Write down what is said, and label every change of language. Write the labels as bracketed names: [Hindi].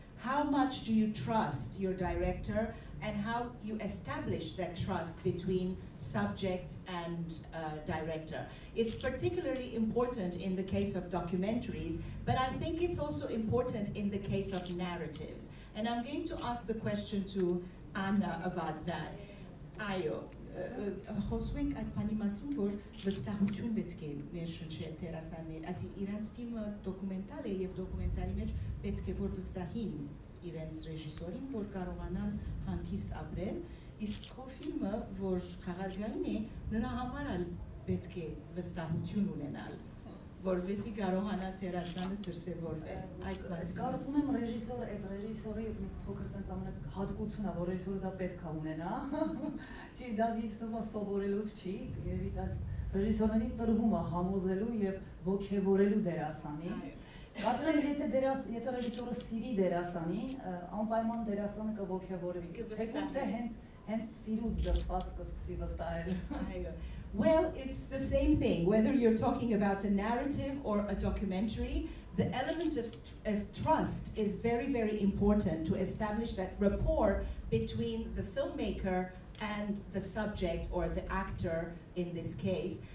[English] How much do you trust your director, and how you establish that trust between subject and director? It's particularly important in the case of documentaries, but I think it's also important in the case of narratives. And I'm going to ask the question to Anna about that. [Armenian] Ayo, խոսենք այդ բանի մասին, որ վստահություն պետք է մեր շնչել դերասաններին, այսինքն իրենց ֆիլմը դոկումենտալ է եւ դոկումենտալի մեջ պետք է որ վստահին իրենց ռեժիսորին, որ կարողանան հանգիստ ապրել, իսկ քո ֆիլմը, որ խաղարկային է, նրա համար էլ պետք է վստահություն ունենալ, որպեսզի կարողանա դերասանը դրսևորվել այդ մասին։ Կարծում եմ ռեժիսորը, այդ ռեժիսորի մի փոքր տենց ամենակ հատկությունն է, որ ռեժիսորը դա պետք է ունենա, չի, դա ինձ թվում է սովորելու չի, երևի դա ռեժիսորներին տրվում է համոզելու և ոգևորելու դերասանին։ Ասենք, եթե ռեժիսորը սիրի դերասանին, անպայման դերասանը կոգևորվի։ Թեկուզ դե հենց սիրուց դրված կսկսի վստահել։ [English] Well, it's the same thing, whether you're talking about a narrative or a documentary, the element of trust is very, very important to establish that rapport between the filmmaker and the subject, or the actor in this case.